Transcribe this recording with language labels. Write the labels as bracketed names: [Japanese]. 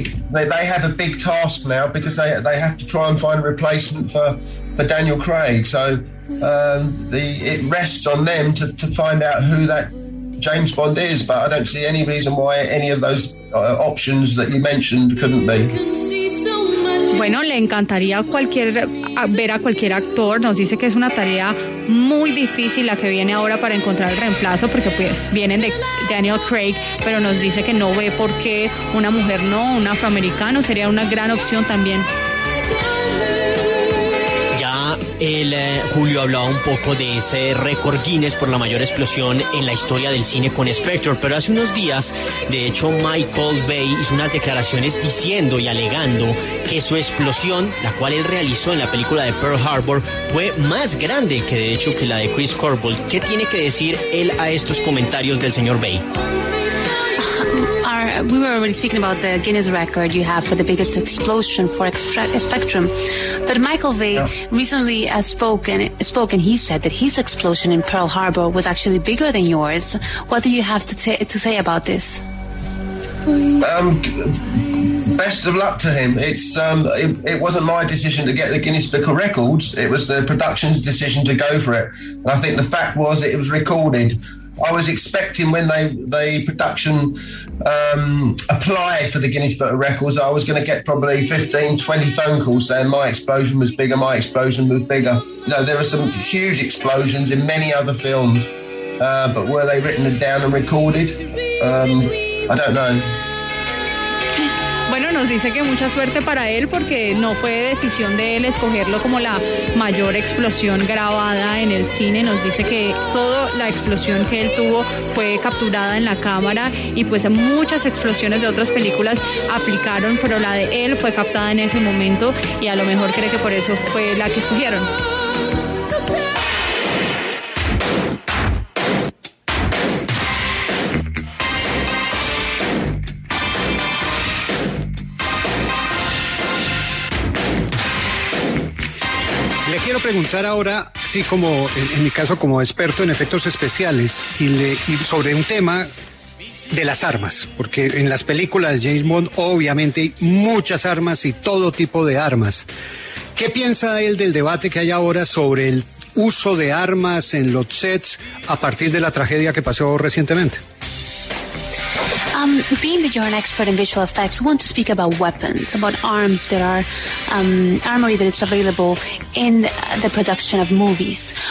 [English] They have a big task now because they have to try and find a replacement for Daniel Craig. So it rests on them to find out who that James Bond is. But I don't see any reason why any of those options that you mentioned couldn't be. [Spanish] Bueno, le encantaría ver a cualquier actor. Nos dice que es una tarea muy difícil la que viene ahora para encontrar el reemplazo, porque pues vienen de Daniel Craig, pero nos dice que no ve por qué una mujer no, un afroamericano sería una gran opción también. El Julio hablaba un poco de ese récord Guinness por la mayor explosión en la historia del cine con Spectre, pero hace unos días, de hecho, Michael Bay hizo unas declaraciones diciendo y alegando que su explosión, la cual él realizó en la película de Pearl Harbor, fue más grande que de hecho que la de Chris Corbell. ¿Qué tiene que decir él a estos comentarios del señor Bay? [English] We were already speaking about the Guinness record you have for the biggest explosion for Spectrum. But Michael Bay recently spoken. He said that his explosion in Pearl Harbor was actually bigger than yours. What do you have to say about this? Best of luck to him. It's it wasn't my decision to get the Guinness Book of Records. It was the production's decision to go for it. And I think the fact was it was recorded. I was expecting when the production applied for the Guinness Book of Records, I was going to get probably 15, 20 phone calls saying my explosion was bigger, my explosion was bigger. You know, there are some huge explosions in many other films, but were they written down and recorded? I don't know. [Spanish] Bueno, nos dice que mucha suerte para él porque no fue decisión de él escogerlo como la mayor explosión grabada en el cine. Nos dice que toda la explosión que él tuvo fue capturada en la cámara y pues muchas explosiones de otras películas aplicaron, pero la de él fue captada en ese momento y a lo mejor cree que por eso fue la que escogieron. Quiero preguntar ahora, sí, como en mi caso, como experto en efectos especiales, y sobre un tema de las armas, porque en las películas de James Bond obviamente hay muchas armas y todo tipo de armas. ¿Qué piensa él del debate que hay ahora sobre el uso de armas en los sets a partir de la tragedia que pasó recientemente? [English] Being that you're an expert in visual effects, we want to speak about weapons, about arms that are armory that is available in the production of movies.